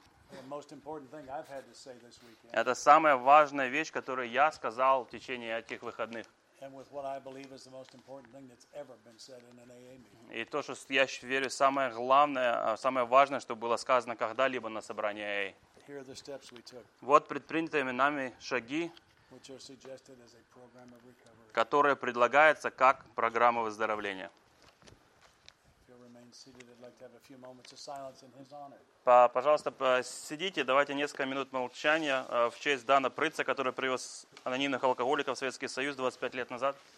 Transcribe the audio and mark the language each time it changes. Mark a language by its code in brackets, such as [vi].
[en] The most important thing I've had to say this weekend. [ru] Это самая важная вещь, которую я сказал в течение этих выходных. [en] And with what I believe is the most important thing that's ever been said in an AA meeting. [ru] И то, что я верю, самое главное, самое важное, что было сказано когда-либо на собрании AA. [en] Here are the steps we took. [ru] Вот предпринятые нами шаги, [en] which are suggested as a program of recovery. [ru] Которые предлагаются как программа выздоровления. [en] If you'll remain seated, I'd like to have a few moments of silence in his honor. [ru] Пожалуйста, сидите, давайте несколько минут молчания в честь Дана Притца, который привез анонимных алкоголиков в Советский Союз 25 лет назад.